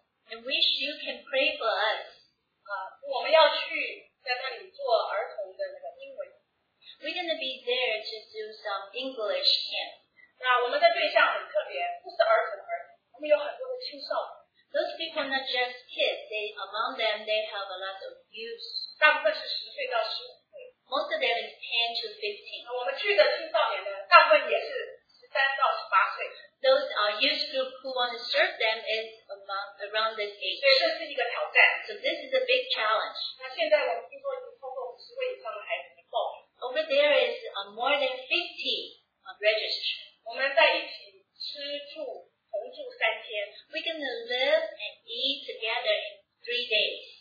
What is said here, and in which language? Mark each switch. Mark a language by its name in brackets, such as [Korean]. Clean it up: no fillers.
[English] I wish you can pray for us. [Chinese] 我们要去在那里做儿童的那个英文。 [English] We're gonna be there to do some English camp. [Chinese] 那我们的对象很特别，不是儿童，我们有很多的青少年。 [English] Those people not just kids. They among them they have a lot of youth. [Chinese] 大部分是10岁到15岁。 [English] Most of them is 10 to 15. [Chinese] 我们去的青少年呢，大部分也是13到18岁。 [English] Those are youth group who want to serve them is around this age. [Chinese] 所以这是一个挑战。 [English] So this is a big challenge. [Chinese] 那现在我们听说已经超过50位以上的孩子报名。 [English] Over there is more than 50 registered. [Chinese] 我们在一起吃住同住3天。 [English] We're going to live and eat together in 3 days.